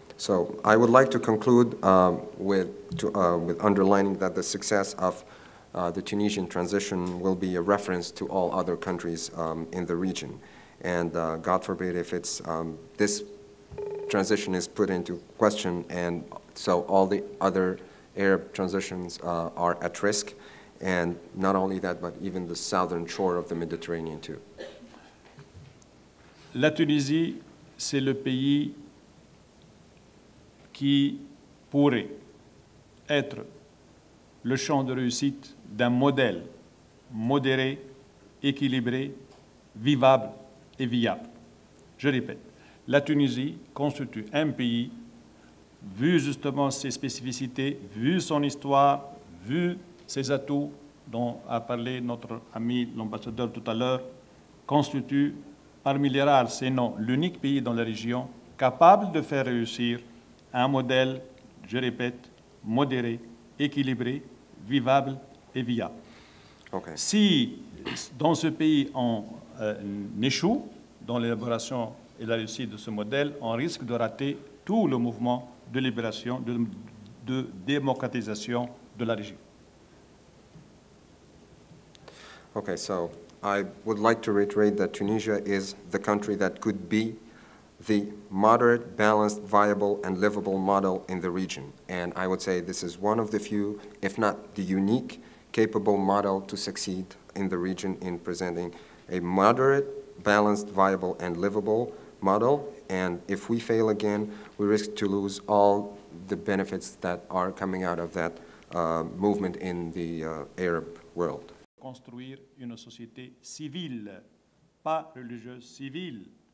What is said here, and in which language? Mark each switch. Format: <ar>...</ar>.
<en>So I would like to conclude with underlining that the success of the Tunisian transition will be a reference to all other countries in the region. And God forbid if it's this transition is put into question, and so all the other Arab transitions are at risk. And not only that, but even the southern shore of the Mediterranean too.</en> <fr>La Tunisie, c'est le pays qui pourrait être le champ de réussite d'un modèle modéré, équilibré, vivable et viable. Je répète, la Tunisie constitue un pays, vu justement ses spécificités, vu son histoire, vu ses atouts, dont a parlé notre ami l'ambassadeur tout à l'heure, constitue parmi les rares, sinon l'unique pays dans la région capable de faire réussir un modèle, je répète, modéré, équilibré, vivable et viable.</fr> <en>Okay.</en> <fr>Si dans ce pays on échoue dans l'élaboration et la réussite de ce modèle, on risque de rater tout le mouvement de libération, de démocratisation de la région.</fr> <en>Okay, so I would like to reiterate that Tunisia is the country that could be the moderate, balanced, viable, and livable model in the region. And I would say this is one of the few, if not the unique, capable model to succeed in the region in presenting a moderate, balanced, viable, and livable model. And if we fail again, we risk to lose all the benefits that are coming out of that movement in the Arab world.</en> <fr>Construire une société civile, pas religieuse, civile.</fr>